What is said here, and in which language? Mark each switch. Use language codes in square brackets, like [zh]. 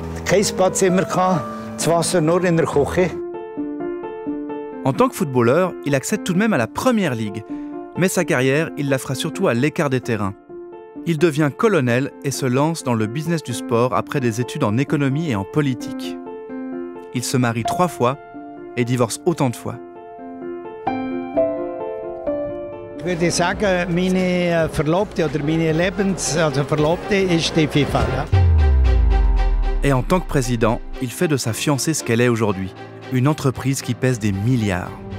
[de] Kein Badzimmer, das Wasser nur in der Küche. [fr] En tant que footballeur, il accède tout de même à la Première Ligue. Mais sa carrière, il la fera surtout à l'écart des terrains. Il devient colonel et se lance dans le business du sport après des études en économie et en politique. Il se marie 3 fois et divorce autant de fois. [de] Ich würde sagen, meine Verlobte oder meine Lebensverlobte ist die FIFA. [fr] Et en tant que président, il fait de sa fiancée ce qu'elle est aujourd'hui, une entreprise qui pèse des milliards.